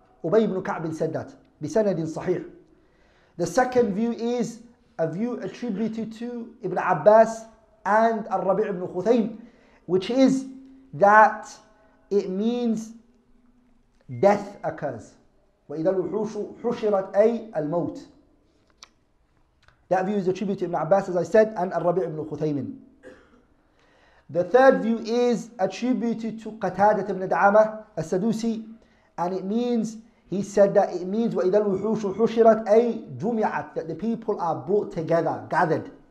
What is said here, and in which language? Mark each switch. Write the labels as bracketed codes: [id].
[en] Ubay ibn Ka'b said that [ar] بِسَنَدٍ صَحِيح. [en] The second view is a view attributed to Ibn Abbas and Al-Rabi' ibn Khuthaym, which is that it means death occurs. [ar] وَإِذَا الْوُحُوشُ حُشِرَتْ أي الموت. [en] That view is attributed to Ibn Abbas, as I said, and Al-Rabi' ibn Khuthaymin. The third view is attributed to Qatadat ibn Da'amah, al-Sadusi, and it means, he said that it means [ar] وَإِذَا الْوُحُوشُ حُشِرَتْ أَيْ جُمِعَتْ [en] that the people are brought together, gathered.